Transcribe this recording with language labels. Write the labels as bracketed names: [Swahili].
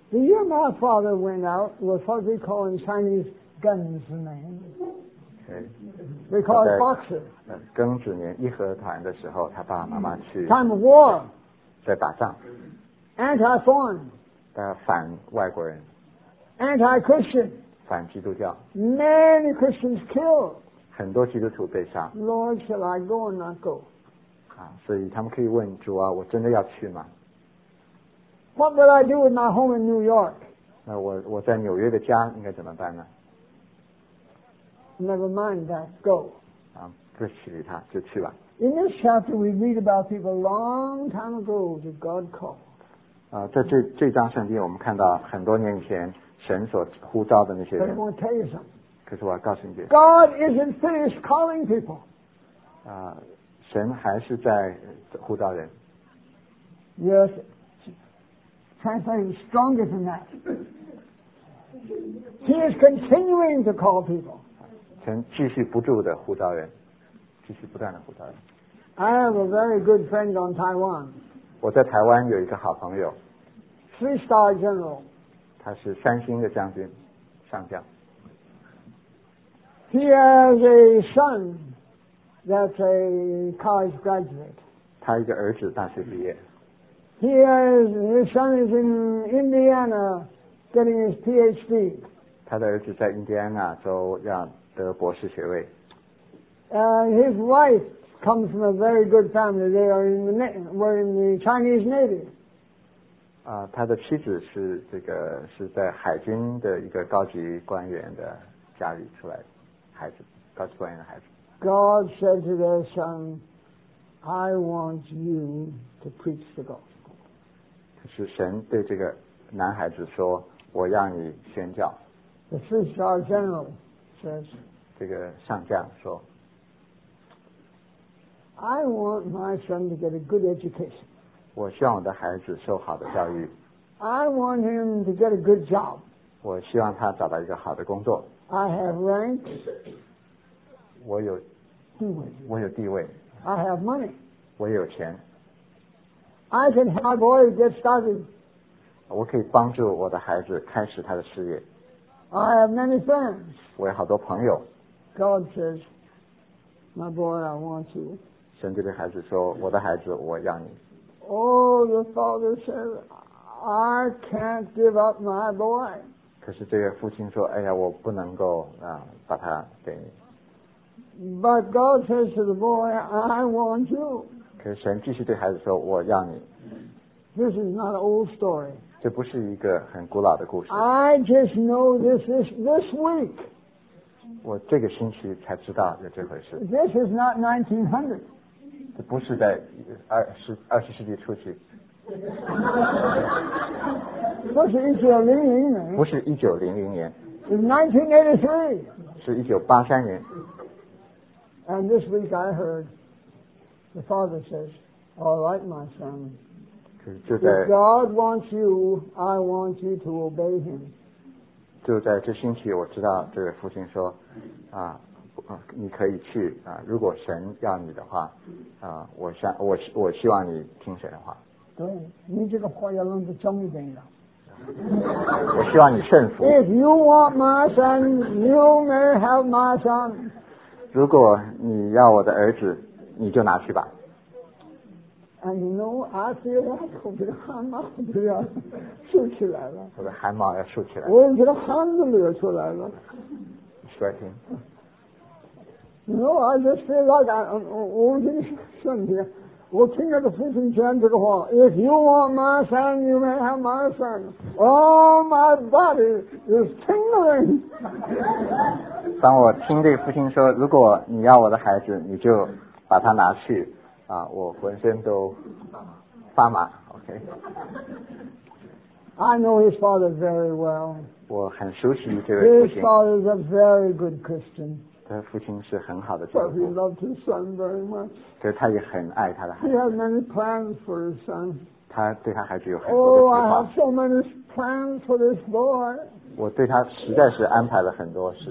[English] The year my father went out was what we call in Chinese 庚子年。 Okay. We call it Boxer. [Chinese] 庚子年义和团的时候，他爸爸妈妈去。 [English] Time of war. [Chinese] 在打仗。 [English] Anti-foreign. [Chinese] 在反外国人。 [English] Anti-Christian. [Chinese] 反基督教。 [English] Many Christians killed. [Chinese] 很多基督徒被杀。 [English] Lord, shall I go or not go? [Chinese] 所以他们可以问主啊，我真的要去吗 [English] ？What will I do with my home in New York? [Chinese] 那我在纽约的家应该怎么办呢 [English] ？Never mind that. Go. [Chinese] 不去理他，就去吧。 [English] In this chapter, we read about people a long time ago that God called. [Chinese] 在这章圣经，我们看到很多年前。神所呼召的那些人，可是我要告诉你 [English] ，God isn't finished calling people。 [Chinese] 神还是在呼召人。 [English] Yes, translation is stronger than that. He is continuing to call people。 [Chinese] 神继续不住的呼召人，继续不断的呼召人。 [English] I have a very good friend on Taiwan。 [Chinese] 我在台湾有一个好朋友。 [English] Three-star general。 [Chinese] 他是三星的将军，上将。 [English] He has a son that's a college graduate. [Chinese] 他一个儿子大学毕业。 [English] He has his son is in Indiana getting his PhD. [Chinese] 他的儿子在印第安纳州要得博士学位。 [English] His wife comes from a very good family. They are in the were in the Chinese Navy. [Chinese] 他的妻子是这个是在海军的一个高级官员的家里出来的孩子，高级官员的孩子。 [English] God said to their son, "I want you to preach the gospel." [Chinese] 可是神对这个男孩子说，我要你宣教。 [English] The three-star general says, [Chinese] 这个上将说 [English] "I want my son to get a good education." [Chinese] 我希望我的孩子受好的教育。 [English] I want him to get a good job. [Chinese] 我希望他找到一个好的工作。 [English] I have rank. [Chinese] 我有地位。我有地位。 [English] I have money. [Chinese] 我有钱。 [English] I can help my boy get started. [Chinese] 我可以帮助我的孩子开始他的事业。 [English] I have many friends. [Chinese] 我有好多朋友。 [English] God says, "My boy, I want you." [Chinese] 神对孩子说，我的孩子，我要你。 [English] Oh, the father said, "I can't give up my boy." [Chinese] 可是这个父亲说，哎呀，我不能够把他给你。 [English] But God says to the boy, "I want you." [Chinese] 可是神继续对孩子说，我要你。 [English] This is not an old story. [Chinese] 这不是一个很古老的故事。 [English] I just know this week. [Chinese] 我这个星期才知道有这回事。 [English] This is not 1900. [Chinese] 不是在二十世纪初期。不是1900年。不是1900年。 [English] It's 1983. [Chinese] 是1983年。 [English] And this week I heard the father says, "All right, my son." If God wants you, I want you to obey Him. [Chinese] 就在这星期，我知道这位父亲说，啊，你可以去啊。如果神要你的话，啊，我希望你听神的话。对，你这个话要弄得重一点的。我希望你顺服。 [English] If you want my son, you may have my son. [Chinese] 如果你要我的儿子，你就拿去吧。 [English] And you know, I feel like [Chinese] 我这个汗毛都要竖起来了。我的汗毛要竖起来。我已经觉得汗都流出来了。 [English] Sweating. You know, I just feel like I, [Chinese] 我已经身体。我听到的父亲讲这个话 [English] If you want my son, you may have my son. Oh, my body is tingling. [Chinese] 当我听这个父亲说如果你要我的孩子你就把他拿去啊，我浑身都发麻 [English] OK. I know his father very well. [Chinese] 我很熟悉这位父亲。 [English] His father is a very good Christian. [Chinese] 他父亲是很好的丈夫。 [English] But he loved his son very much. [Chinese] 可是他也很爱他的孩子。 [English] He has many plans for his son. [Chinese] 他对他孩子有很多的计划。 [English] Oh, I have so many plans for this boy. [Chinese] 我对他实在是安排了很多事。